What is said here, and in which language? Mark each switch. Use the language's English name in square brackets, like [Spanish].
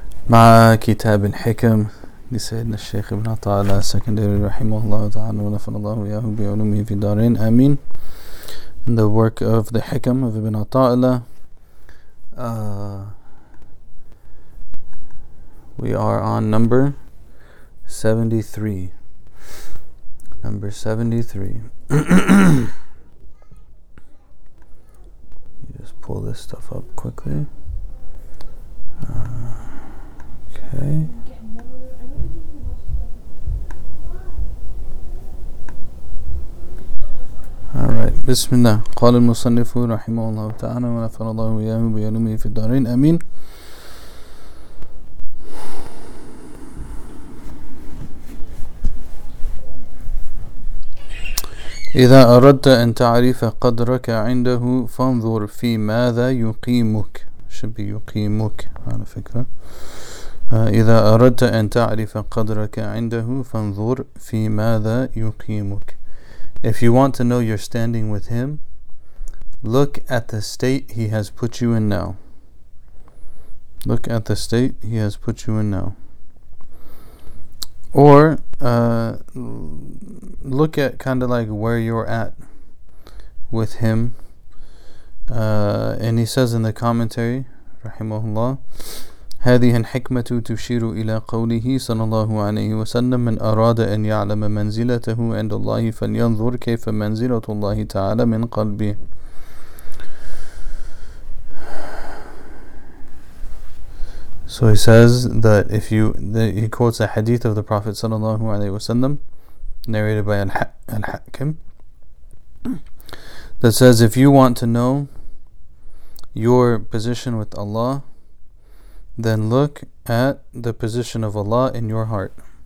[Arabic] مع كتاب الحكم لسيدنا الشيخ ابن عطاءالله السكندري رحمه الله تعالى ونفر الله وياه بعلومه في دارين آمين. [English] In the work of the Hikam of Ibn Ataillah, we are on number 73. You just pull this stuff up quickly. Okay. [Arabic] بسم الله قال المصنف رحمه الله تعالى ونفر الله وياه بعلومه في الدارين امين. اذا اردت ان تعرف قدرك عنده فانظر في ماذا يقيمك. شبي يقيمك على فكره. اذا اردت ان تعرف قدرك عنده فانظر في ماذا يقيمك. [English] If you want to know your standing with him, look at the state he has put you in now. Look at the state he has put you in now. Or look at kind of like where you're at with him. And he says in the commentary, [Arabic] Rahimahullah, هذه الحكمة تشير إلى قوله صلى الله عليه وسلم من أراد أن يعلم منزلته عند الله فلينظر كيف منزلة الله تعالى من قلبه. [English] So he says that if you, that he quotes a hadith of the Prophet [Arabic] صلى الله عليه وسلم [English] narrated by Al-Hakim that says if you want to know your position with Allah, then look at the position of Allah in your heart.